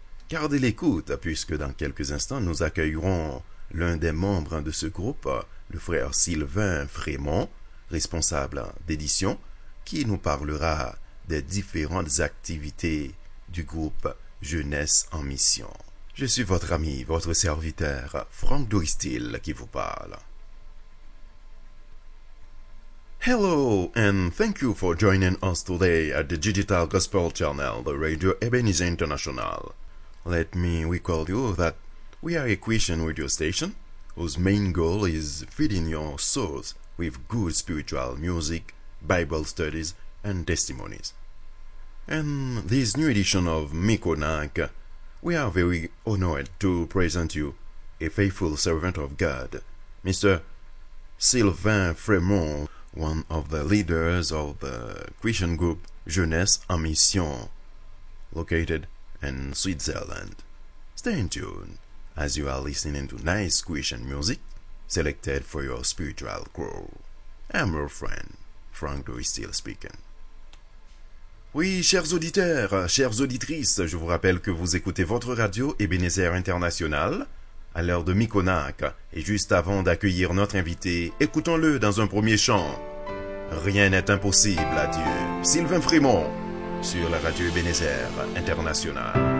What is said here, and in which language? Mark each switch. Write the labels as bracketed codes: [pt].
[fr] Gardez l'écoute, puisque dans quelques instants, nous accueillerons l'un des membres de ce groupe, le frère Sylvain Frémont, responsable d'édition, qui nous parlera des différentes activités du groupe Jeunesse en Mission. Je suis votre ami, votre serviteur, Franck Doristil, qui vous parle. [en] Hello, and thank you for joining us today at the Digital Gospel Channel, the Radio Ebenezer International. Let me recall you that we are a Christian radio station whose main goal is feeding your souls with good spiritual music, Bible studies, and testimonies. In this new edition of Mikonak, we are very honored to present you a faithful servant of God, Mr. Sylvain Frémont, one of the leaders of the Christian group Jeunesse en Mission, located in Switzerland. Stay in tune as you are listening to nice Christian music selected for your spiritual growth. I'm your friend, Frank Louis Steele speaking. [fr] Oui, chers auditeurs, chères auditrices, je vous rappelle que vous écoutez votre radio Ebenezer International à l'heure de Mikonak, et juste avant d'accueillir notre invité, écoutons-le dans un premier chant. Rien n'est impossible à Dieu. Sylvain Frémont, sur la radio Ebenezer International.